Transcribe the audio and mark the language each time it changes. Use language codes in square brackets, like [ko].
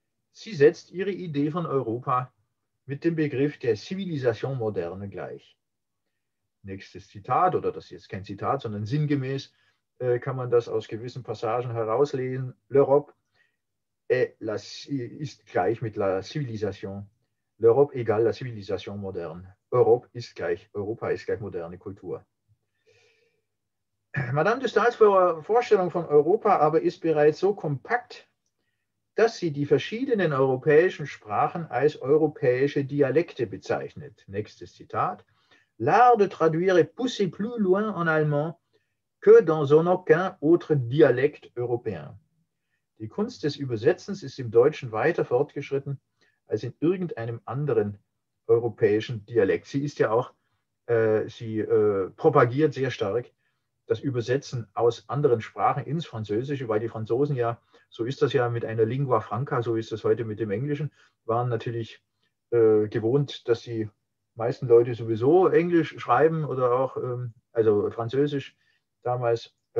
[de] Sie setzt Ihre Idee von Europa mit dem Begriff der Civilisation Moderne gleich. Nächstes Zitat, oder das ist jetzt kein Zitat, sondern sinngemäß kann man das aus gewissen Passagen herauslesen. L'Europe ist gleich mit la Civilisation. [fr] L'Europe égal la Civilisation Moderne. [de] Europe ist gleich, Europa ist gleich moderne Kultur. Madame de Staël's Vorstellung von Europa aber ist bereits so kompakt, dass sie die verschiedenen europäischen Sprachen als europäische Dialekte bezeichnet. Nächstes Zitat. [fr] L'art de traduire est poussé plus loin en allemand que dans aucun autre dialecte européen. [de] Die Kunst des Übersetzens ist im Deutschen weiter fortgeschritten als in irgendeinem anderen europäischen Dialekt. Sie ist ja auch, propagiert sehr stark das Übersetzen aus anderen Sprachen ins Französische, weil die Franzosen ja, so ist das ja mit einer Lingua Franca, so ist das heute mit dem Englischen, waren natürlich gewohnt, dass die meisten Leute sowieso Englisch schreiben oder auch also Französisch damals.